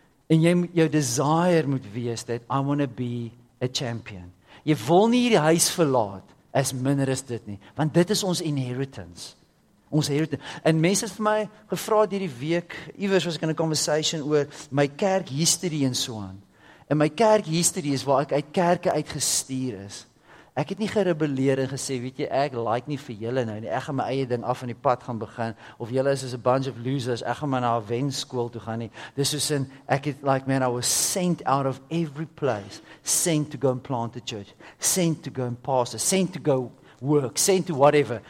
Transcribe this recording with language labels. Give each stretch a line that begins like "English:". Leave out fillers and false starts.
Afrikaans: En jou desire moet wees dat
English: I want to be a champion.
Afrikaans: Jy wil nie hierdie huis verlaat as minder is dit nie, want dit is ons inheritance. Ons inheritance. En mense het vir my gevra hierdie week, iewers was ek in 'n conversation oor my kerk history en so aan. En my kerk history is waar ek uit kerke uitgestuur is. Ek het nie gerebelleer en gesê, weet jy, ek like nie vir julle nou nie. Ek gaan my eie ding af in die pad gaan begin. Of julle is as a bunch of losers. Ek gaan maar na 'n wenskool toe gaan nie. Dis soos in, ek het
English: like, man, I was sent out of every place. Sent to go and plant a church. Sent to go and pastor. Sent to go work. Sent to whatever.